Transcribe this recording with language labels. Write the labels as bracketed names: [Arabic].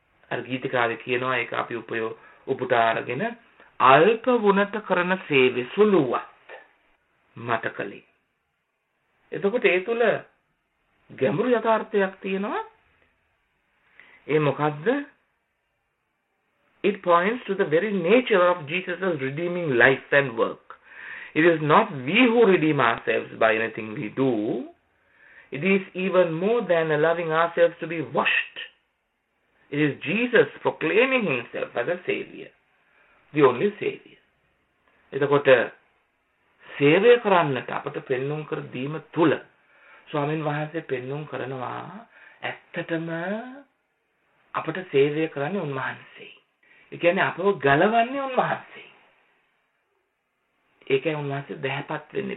[Sinhala] අර ගීතකාරයා කියනවා ඒක අපි උපුටා අරගෙන, අල්ප වුණත කරන සේවය සුළුවත් මට කළේ. එතකොට ඒ තුළ ගැඹුරු යථාර්ථයක් තියෙනවා. ඒ මොකද්ද? [English] It points to the very nature of Jesus' redeeming life and work. It is not we who redeem ourselves by anything we do. It is even more than allowing ourselves to be washed. It is Jesus proclaiming himself as a savior, the only savior. [Sinhala] එතකොට සේවය කරන්නට අපට පෙන්නුම් කර දීම තුල ස්වාමීන් වහන්සේ පෙන්නුම් කරනවා ඇත්තටම අපට සේවය කරන්නේ උන්වහන්සේ. ඒ කියන්නේ අපව ගලවන්නේ උන්වහන්සේ. ඒකයි උන්වහන්සේ දැහැපත් වෙන්නේ.